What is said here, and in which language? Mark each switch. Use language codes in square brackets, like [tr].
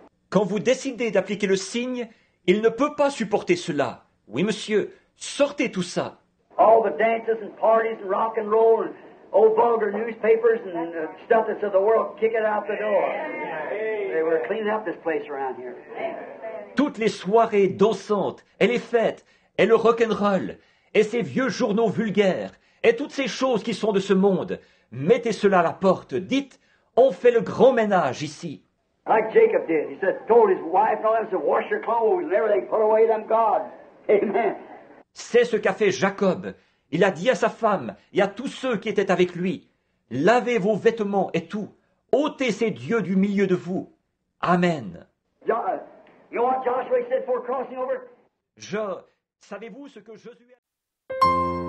[fr] Quand vous décidez d'appliquer le signe, il ne peut pas supporter cela. Oui, monsieur, sortez tout ça. [en] All the dances and parties and rock and roll and old vulgar newspapers and stuff that's of the world, kick it out the door. They were cleaning up this place around here. [fr] Toutes les soirées dansantes et les fêtes et le rock and roll et ces vieux journaux vulgaires et toutes ces choses qui sont de ce monde, mettez cela à la porte. Dites, on fait le grand ménage ici. [en] Like Jacob did. He said, told his wife and all them, said, wash your clothes and everything, put away them gods. Amen. [fr] C'est ce qu'a fait Jacob. Il a dit à sa femme et à tous ceux qui étaient avec lui, lavez vos vêtements et tout. Ôtez ces dieux du milieu de vous. Amen. [en] You know what Joshua said before crossing over? [fr] Je, savez-vous ce que Josué a dit?